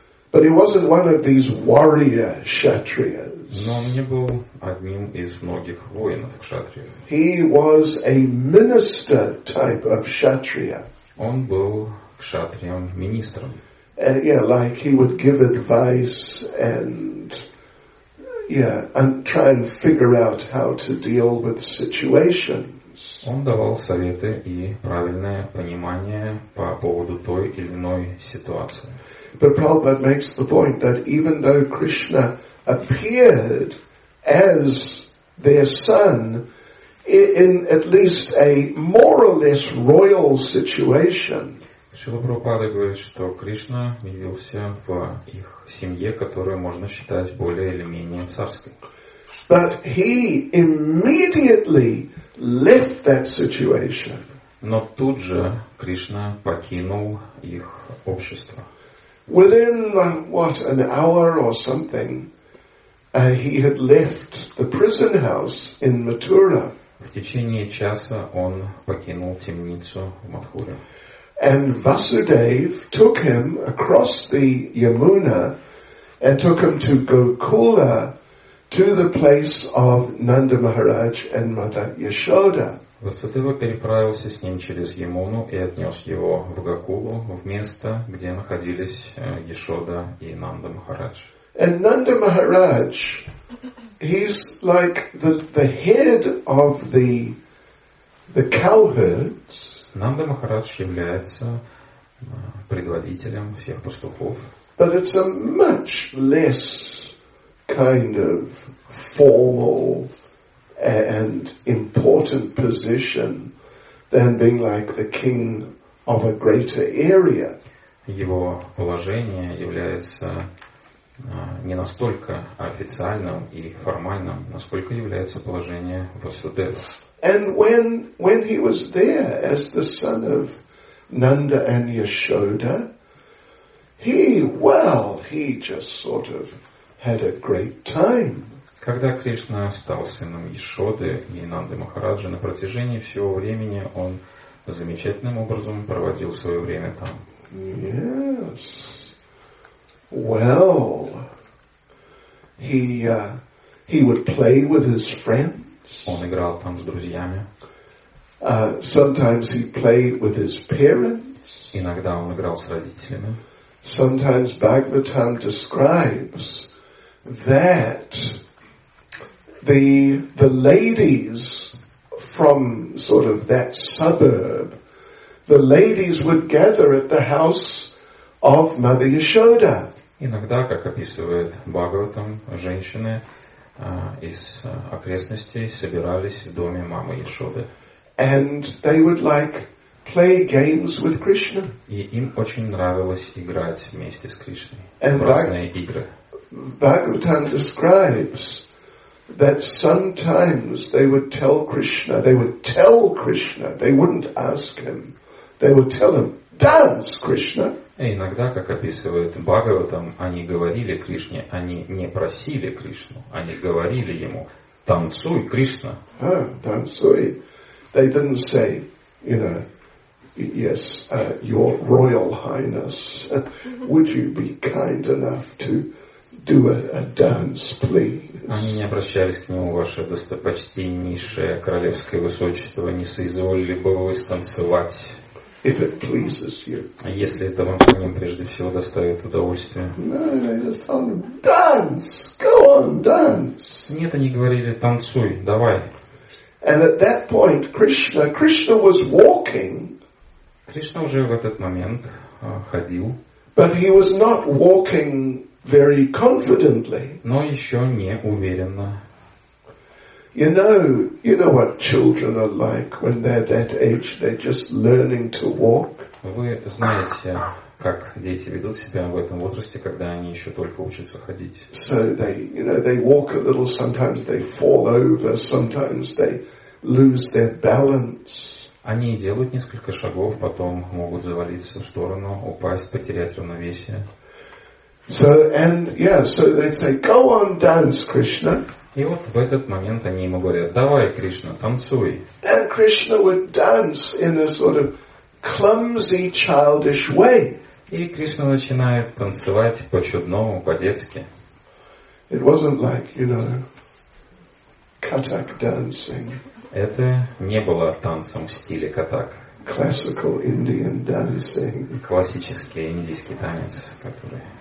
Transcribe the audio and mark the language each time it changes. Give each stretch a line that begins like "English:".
English: But he wasn't one of these warrior kshatriyas.
Russian: Но он не был одним из многих воинов кшатриев.
English: He was a minister type of kshatriya.
Russian: Он был кшатрием министром.
English: Like he would give advice and and try and figure out how to deal with the situation.
Russian: Он давал советы и правильное понимание по поводу той или иной ситуации.
English: But Prabhupada makes the point that even though Krishna appeared as their son, in at least a more or less royal situation.
Russian: Шрила Прабхупада говорит, что Кришна явился в их семье, которую можно считать более или менее царской.
English: But he immediately left that situation.
Russian: Но тут же Кришна покинул их общество.
English: Within what, an hour or something, he had left the prison house in Mathura.
Russian: В течение часа он покинул темницу в Матхуре.
English: And Vasudev took him across the Yamuna and took him to Gokula, to the place of Nanda Maharaj and Mother Yashoda.
Russian: Васудева переправился с ним через Ямуну и отнес его в Гокулу, в место, где находились Яшода и Нанда Махарадж.
English: And Nanda Maharaj, he's like the head of the cowherds.
Russian: Нанда Махарадж является предводителем всех пастухов.
English: But it's a much less kind of formal and important position than being like the king of a greater area.
Russian: Его положение является не настолько официальным и формальным, насколько является положение Васудева.
English: And when he was there as the son of Nanda and Yashoda, he just sort of had a great time.
Russian: Когда Кришна стал сыном Яшоды и Нанды Махараджи, на протяжении всего времени он замечательным образом проводил свое время там.
English: Yes. Well, he would play with his friends.
Russian: Он играл там с друзьями.
English: Sometimes he played with his parents.
Russian: Иногда он играл с родителями.
English: Sometimes Bhagavatam describes that the ladies from sort of that suburb, the ladies would gather at the house of Mother Yashoda.
Russian: Иногда, как описывает Бхагаватам, женщины из окрестностей собирались в доме мамы Яшоды.
English: And they would like play games with Krishna.
Russian: И им очень нравилось играть вместе с Кришной в разные игры.
English: Bhagavatam describes that sometimes they would tell Krishna, they wouldn't ask him, they would tell him, dance, Krishna.
Russian: И иногда, как описывает Бхагаватам, они говорили Кришне, они не просили Кришну, они говорили ему, танцуй, Кришна. Танцуй.
English: They didn't say, you know, yes, your royal highness, would you be kind enough to do a dance, please?
Russian: Они не обращались к нему, ваше достопочтеннейшее королевское высочество, не соизволили бы вы станцевать?
English: If it pleases you.
Russian: А если это вам самим прежде всего доставит удовольствие?
English: No, they just told him, dance, go on, dance.
Russian: Нет, они говорили, танцуй, давай.
English: And at that point, Krishna was walking.
Russian: Кришна уже в этот момент ходил.
English: But he was not walking very confidently.
Russian: Но еще не уверенно.
English: You know what children are like when they're that age, they're just learning to walk.
Russian: Вы знаете, как дети ведут себя в этом возрасте, когда они еще только учатся ходить.
English: So they, you know, they walk a little, sometimes they fall over, sometimes they lose their balance.
Russian: Они делают несколько шагов, потом могут завалиться в сторону, упасть, потерять равновесие.
English: So they say, go on, dance, Krishna.
Russian: И вот в этот момент они ему говорят, давай, Кришна, танцуй.
English: And Krishna would dance in a sort of clumsy, childish way.
Russian: И Кришна начинает танцевать по-чудному, по-детски.
English: It wasn't like, you know, Kathak dancing.
Russian: Это не было танцем в стиле Kathak.
English: Classical Indian dancing.
Russian: Классический индийский танец, который...